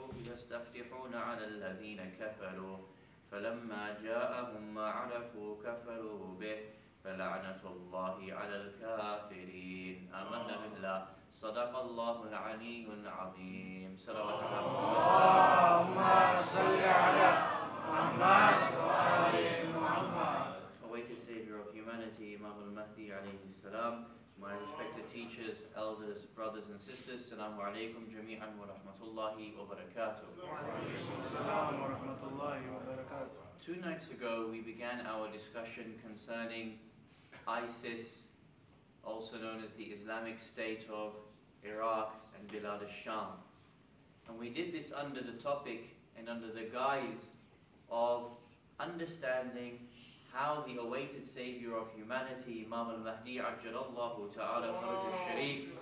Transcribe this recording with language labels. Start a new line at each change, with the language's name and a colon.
Arabic: يستفتحون على الذين كفروا فلما جاءهم ما عرفوا كفروا به فلعنة الله على الكافرين آمنا بالله صدق الله العلي العظيم صلوات الله اللهم صل على محمد وآل محمد
English: awaited savior of humanity Imam al Mahdi عليه السلام my respected teachers elders brothers and sisters
Arabic: السلام عليكم جميعا ورحمة الله وبركاته السلام ورحمة الله وبركاته
English: Two nights ago we began our discussion concerning ISIS, also known as the Islamic State of Iraq and Bilad al-Sham. And we did this under the topic and under the guise of understanding how the awaited Savior of humanity, Imam al Mahdi, ajjalallahu ta'ala, faraj al-Sharif.